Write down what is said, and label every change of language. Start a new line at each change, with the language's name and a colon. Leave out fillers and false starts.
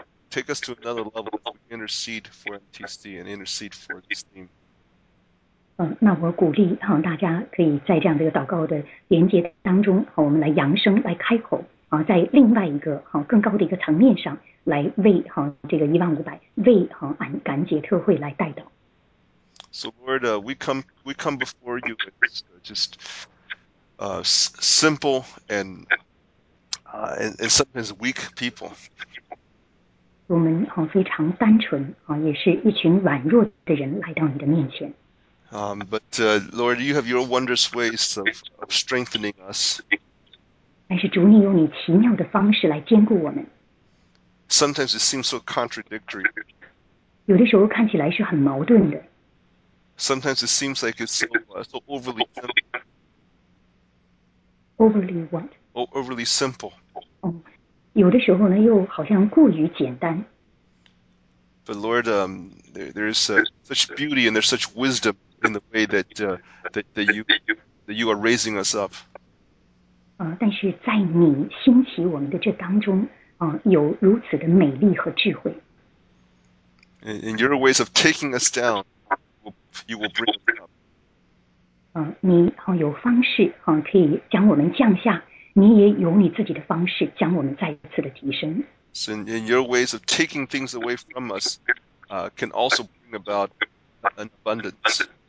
English: Take us to another level to intercede for MTC and intercede for this team.
Chinese: 那我鼓励大家可以在这样的一个祷告的连接当中我们来扬声来开口在另外一个更高的一个层面上来为这个一万五百为感恩节特会来代祷。
English: So Lord, we come before you with just simple and sometimes weak people.
Chinese: 我们非常单纯也是一群软弱的人来到你的面前。
English: But Lord, you have your wondrous ways of strengthening us.
Chinese: 但是主，你用你奇妙的方式来坚固我们。
English: Sometimes it seems so contradictory.
Chinese: 有的时候看起来是很矛盾的。
English: Sometimes it seems like it's so overly simple. Overly what? Oh, overly simple.
Chinese: 有的时候呢，又好像过于简单。
English: But Lord, there is such beauty and there's such wisdom. In the way that you are raising us up.
Chinese: 但是在你兴起我们的这当中，有如此的美丽和智慧。
English: In your ways of taking us down, you will bring us up.
Chinese: 你有方式可以将我们降下，你也有你自己的方式将我们再次的提升。
English: So in your ways of taking things away from us, can also bring about an abundance.